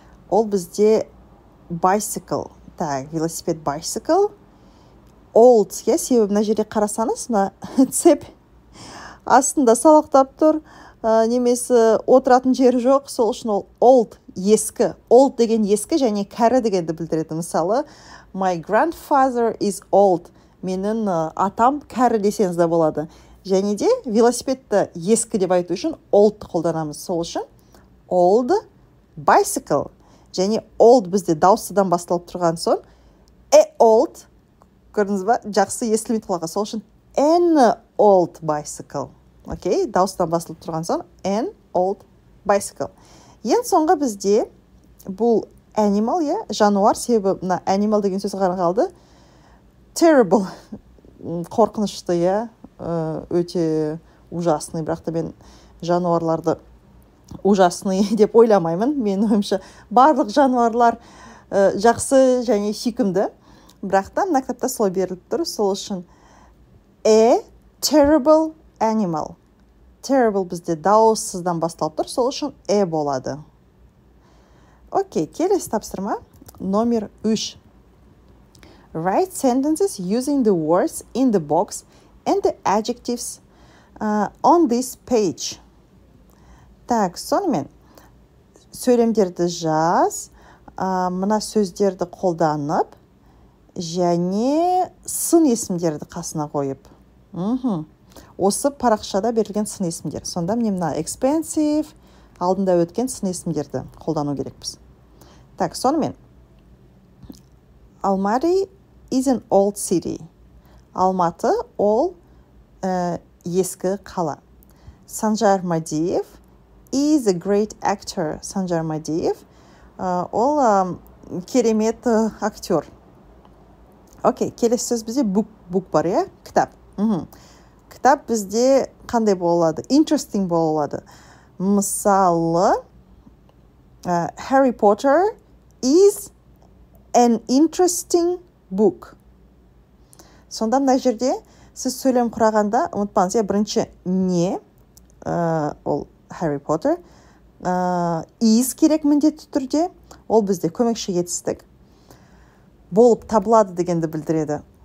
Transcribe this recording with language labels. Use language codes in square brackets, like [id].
[kk] Ол бізде bicycle. Так, велосипед bicycle. Old, я себе на жерде қарасаңыз, на цеп астында салақтап тұр. Немесе отыратын жері жоқ, сол үшін ол old, ескі. Old деген ескі және кәрі дегенді білдіреді. Мысалы, [en] my grandfather is old. [kk] Менің атам кәрі десеңіз де болады. Және де велосипедті ескі деп айту үшін old қолданамыз. Сол үшін old bicycle. Және old бізде дауысыдан басталып тұрған соң a old, көрдіңіз ба? Жақсы естілмейді құлаққа. Сол үшін [en] an old bicycle. [kk] Окей, дауыстан басылып тұрған соң [en] an old bicycle. [kk] Ең соңғы бізде бұл animal, е, жануар, себебі мына animal деген сөз ғана қалды. Terrible, қорқынышты, е, өте ужасный, бірақ та мен жануарларды ужасный деп ойламаймын. Мен ойымша барлық жануарлар жақсы және сүйкімді, бірақ та мына кітапта солай беріліп тұр. Сол үшін [en] a terrible animal. [kk] Terrible бізде дауыссыздан басталып тұр, сол үшін «э» болады. Окей, келесі тапсырма номер 3. [en] Write sentences using the words in the box and the adjectives on this page. [kk] Так, сонымен сөйлемдерді жаз, мына сөздерді қолданып, және сын есімдерді қасына қойып. Осы парақшада берілген сын есімдер. Сонда мен мына expensive алдында өткен сын есімдерді қолдану керекпіз. Так, сонымен. [en] Almaty is an old city. [kk] Алматы ол ескі қала. [en] Sanzhar Madiyev is a great actor. [kk] Sanzhar Madiyev ол керемет актер. Окей, келесі сөз бізде book бар, е? Кітап. Кітап бізде қандай болады? Interesting болады. Мысалы, [en] Harry Potter is an interesting book. [kk] Сонда мына жерде сіз сөйлем құрағанда ұмытпаңыз, е, бірінші не, ол Harry Potter, is керек міндетті түрде, ол бізде көмекші етістік болып табылады дегенді білдіреді.